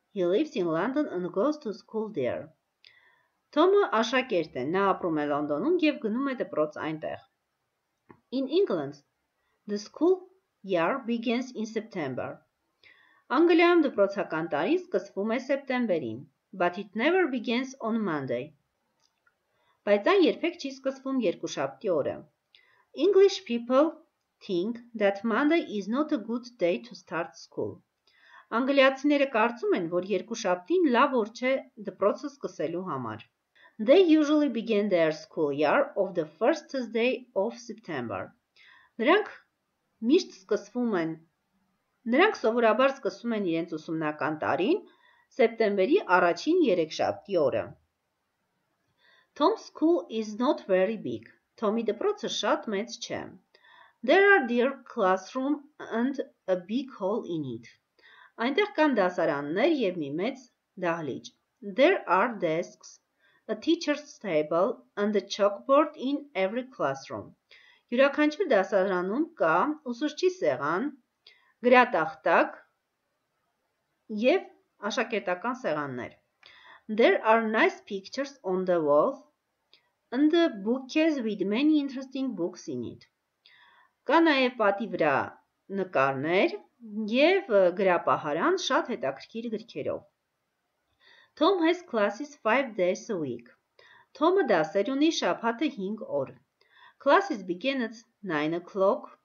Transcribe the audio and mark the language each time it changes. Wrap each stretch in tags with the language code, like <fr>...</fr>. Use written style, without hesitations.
<en>He lives in London and goes to school there.</en> <hy>Tom-ը աշակերտ է. Նա ապրում է Լոնդոնում և գնում է դպրոց այնտեղ.</hy> <en>In England, the school year begins in September.</en> <hy>Անգլիայում դպրոցական տարին սկսվում է սեպտեմբերին.</hy> <en>But it never begins on Monday.</en> <hy>Բայց այն երբեք չի սկսվում երկուշաբթի օրը.</hy> <en>English people think that Monday is not a good day to start school.</en> <hy>Անգլիացիները կարծում են, որ երկուշաբթին լավ օր չէ դպրոցը սկսելու համար.</hy> <en>They usually begin their school year of the first Thursday of September.</en> <hy>Նրանք միշտ սկսվում են, նրանք սովորաբար սկսում են իրենց ուսումնական տարին սեպտեմբերի առաջին երեքշաբթի օրը.</hy> <en>Tom's school is not very big.</en> <hy>Tom-ի դպրոցը շատ մեծ չէ.</hy> <en>There are their classroom and a big hall in it.</en> <hy>Այնտեղ կան դասարաններ և մի մեծ դահլիճ.</hy> <en>There are desks, a teacher's table and a chalkboard in every classroom.</en> <hy>Յուրաքանչյուր դասարանում կա ուսուցչի սեղան, գրատախտակ և աշակերտական սեղաններ.</hy> <en>There are nice pictures on the wall and a bookcase with many interesting books in it.</en> <hy>Կա նաև պատի վրա նկարներ և գրապահարան շատ հետաքրքիր գրքերով։</hy> <en>Tom has classes 5 days a week.</en> <hy>Tom-ը դասեր ունի շաբաթը 5 օր։</hy> <en>Classes begin at 9 o'clock.</en>